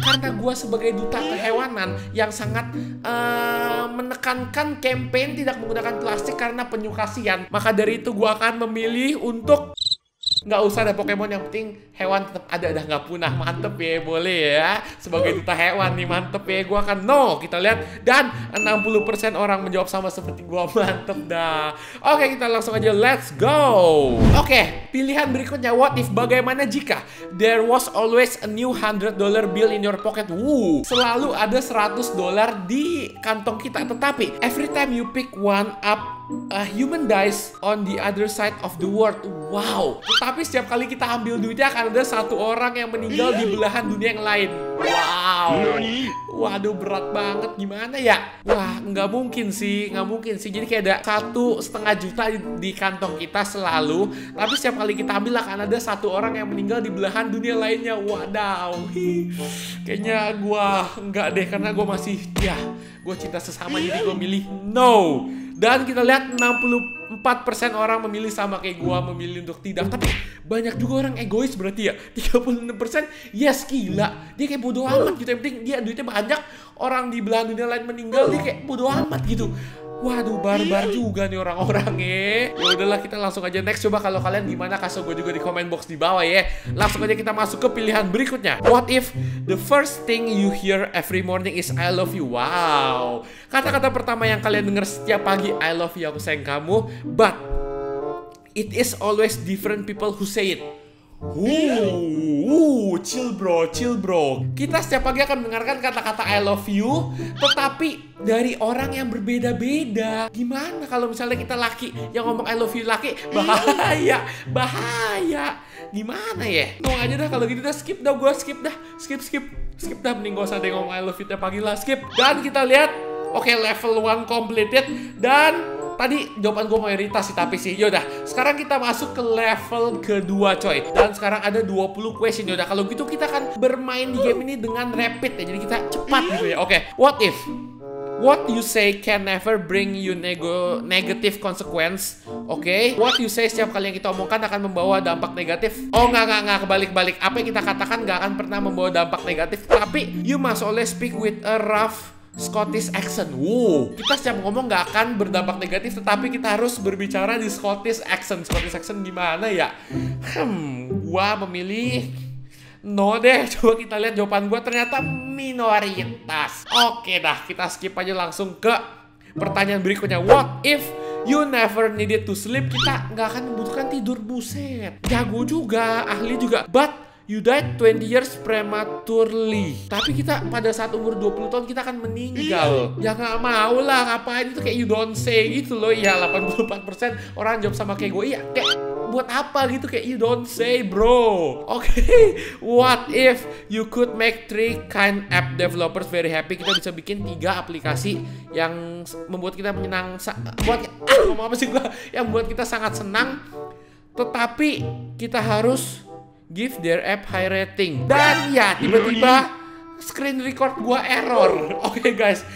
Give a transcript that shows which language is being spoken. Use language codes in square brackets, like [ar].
[id] Karena gue sebagai duta kehewanan yang sangat menekankan kampanye tidak menggunakan plastik karena penyu kasihan, maka dari itu gue akan memilih untuk nggak usah ada Pokemon, yang penting hewan tetap ada dah, nggak punah. Mantep ya, boleh ya. Sebagai duta hewan nih, mantep ya. Gue akan no, kita lihat. Dan 60% orang menjawab sama seperti gue, mantep dah. Oke, kita langsung aja, [en] let's go. [id] Oke, pilihan berikutnya. [en] What if, [id] bagaimana jika [en] there was always a new $100 bill in your pocket? [id] Woo, selalu ada $100 di kantong kita. [en] Tetapi, every time you pick one up, a human dies on the other side of the world. Wow. [id] Tapi setiap kali kita ambil duitnya akan ada satu orang yang meninggal di belahan dunia yang lain. Wow. Waduh, berat banget. Gimana ya? Wah, nggak mungkin sih. Nggak mungkin sih. Jadi kayak ada 1,5 juta di kantong kita selalu. Tapi setiap kali kita ambil akan ada satu orang yang meninggal di belahan dunia lainnya. Wadaw. Kayaknya gue nggak deh. Karena gue masih, ya, gue cinta sesama. Jadi gue milih no. Dan kita lihat 64% orang memilih sama kayak gua, memilih untuk tidak. Tapi banyak juga orang egois berarti ya. 36% yes, gila. Dia kayak bodo amat gitu. Yang penting dia duitnya banyak. Orang di belahan dunia lain meninggal, dia kayak bodo amat gitu. Waduh, barbar juga nih orang-orangnya. Yaudahlah, kita langsung aja next. Coba kalau kalian gimana, kasih gue juga di comment box di bawah ya. Langsung aja kita masuk ke pilihan berikutnya. [en] What if the first thing you hear every morning is I love you? Wow. [id] Kata-kata pertama yang kalian dengar setiap pagi, [en] I love you, [id] aku sayang kamu. [en] But it is always different people who say it. Chill bro. [id] Kita setiap pagi akan mendengarkan kata-kata [en] I love you, [id] tetapi dari orang yang berbeda-beda. Gimana kalau misalnya kita laki yang ngomong [en] I love you [id] laki? Bahaya. Gimana ya? Tunggu aja dah, kalau gitu dah skip dah, gua skip dah. Skip dah, mending gak usah deh ngomong [en] I love you [id] tiap pagi lah, skip. Dan kita lihat, oke, level 1 completed. Dan tadi jawaban gue mayoritas sih, tapi sih yaudah. Sekarang kita masuk ke level kedua coy. Dan sekarang ada 20 question yaudah. Kalau gitu kita akan bermain di game ini dengan rapid ya. Jadi kita cepat gitu ya. Oke, okay. [en] What if what you say can never bring you negative consequence? [id] Oke, okay. [en] What you say [id] setiap kali yang kita omongkan akan membawa dampak negatif? Oh enggak, kebalik-balik. Apa yang kita katakan gak akan pernah membawa dampak negatif. [en] Tapi you must always speak with a rough Scottish accent. [id] Woo. Kita setiap ngomong gak akan berdampak negatif, tetapi kita harus berbicara di Scottish accent. Scottish accent gimana ya? Gua memilih no deh. Coba kita lihat jawaban gua, ternyata minoritas. Oke dah, kita skip aja langsung ke pertanyaan berikutnya. [en] What if you never needed to sleep? [id] Kita gak akan membutuhkan tidur, buset. Jago juga, ahli juga. [en] But you died 20 years prematurely. [id] Tapi kita pada saat umur 20 tahun kita akan meninggal. Ya gak mau lah, ngapain itu kayak [en] you don't say [id] gitu loh. Ya 84% orang jawab sama kayak gue. Iya, kayak buat apa gitu, kayak [en] you don't say bro. Oke, okay. What if you could make 3 kind app developers very happy? [id] Kita bisa bikin 3 aplikasi yang membuat kita menyenang. Buat, ngomong apa sih gue? Yang membuat kita sangat senang, tetapi kita harus [en] give their app high rating. [id] Dan ya, tiba-tiba screen record gua error. [en] Oke, okay guys.